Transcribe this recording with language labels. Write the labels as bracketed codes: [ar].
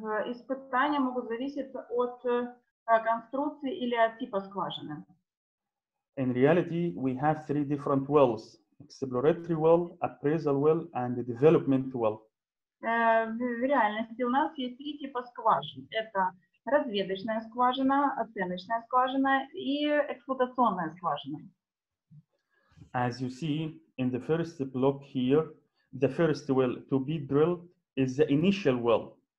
[ru] Испытания могут зависеть от конструкции или от типа скважины. [en] In reality, we have three different wells: exploratory well, appraisal well, and the development well. [ru] В реальности у нас есть три типа скважин. Это разведочная скважина, оценочная скважина и эксплуатационная скважина. [en] As you see in the first block here, the first well to be drilled is the initial well.